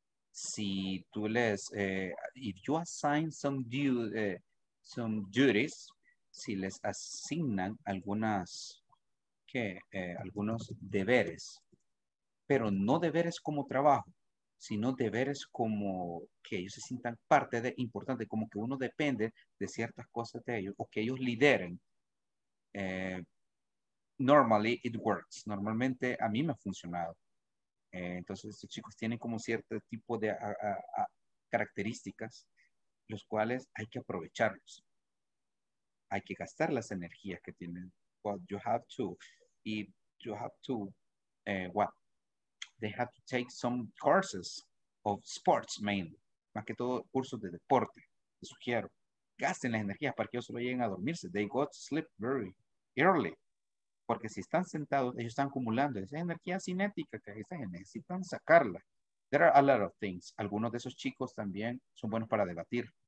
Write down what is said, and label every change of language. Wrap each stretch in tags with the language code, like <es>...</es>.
<es>Si tú les,</es> <en>if you assign some some duties,</en> <es>si les asignan algunas algunos deberes, pero no deberes como trabajo, sino deberes como que ellos se sientan parte de importante, como que uno depende de ciertas cosas de ellos o que ellos lideren,</es> <en>normally it works.</en> <es>Normalmente a mí me ha funcionado. Entonces estos chicos tienen como cierto tipo de características, los cuales hay que aprovecharlos. Hay que gastar las energías que tienen.</es> <en>Well, you have to, they have to take some courses of sports mainly.</en> <es>Más que todo cursos de deporte. Les sugiero, gasten las energías para que ellos solo lleguen a dormirse.</es> <en>They go to sleep very early.</en> <es>Porque si están sentados, ellos están acumulando esa energía cinética que ellos necesitan sacarla.</es> <en>There are a lot of things.</en> <es>Algunos de esos chicos también son buenos para debatir.</es>